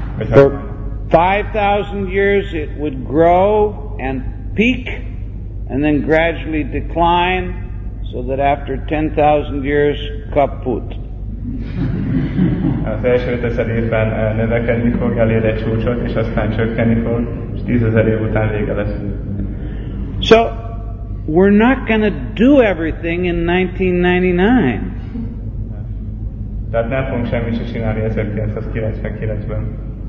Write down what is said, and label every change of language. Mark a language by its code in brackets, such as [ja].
[en] For 5,000 years it would grow and peak and then gradually decline, so that after 10,000 years, kaput. [hu] Az első 5000 évben növekedni fog, elér egy csúcsot, és aztán csökkenni fog, és 10000 év után vége lesz. [en] So, we're not going to do everything in 1999. [hu] Tehát nem fogunk semmit se csinálni 1999-ben.